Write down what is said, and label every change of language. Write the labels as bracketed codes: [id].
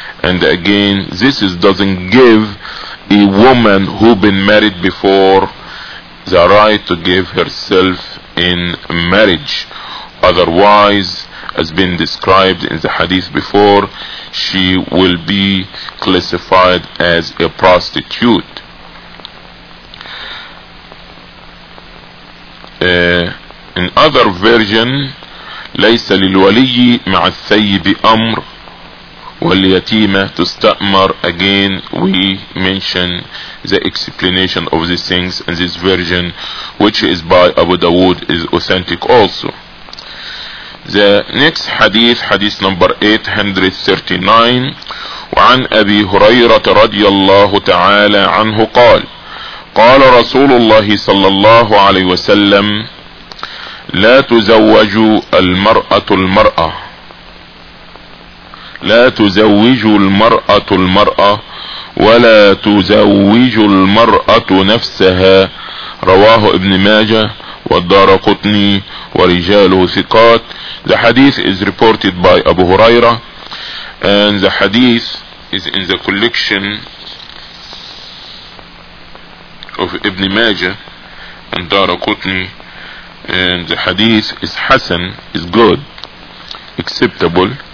[en] And again, this is doesn't give a woman who been married before the right to give herself in marriage. Otherwise, as been described in the hadith before, she will be classified as a prostitute. In other version, [ar] ليس للولي مع الثيب أمر واليتيمة تستأمر. [en] Again, we mention the explanation of these things in this version, which is by Abu Dawood, is authentic also. The next hadith, hadith number 839, [ar] وعن أبي هريرة رضي الله تعالى عنه قال قال رسول الله صلى الله عليه وسلم لا تزوج المرأة المرأة لا تزوج المرأة المرأة ولا تزوج المرأة نفسها. رواه ابن ماجه والدارقطني ورجاله ثقات. [en] The hadith is reported by Abu Huraira, and the hadith is in the collection of Ibn Majah and Darqutni, and the hadith is hasan, is good, acceptable.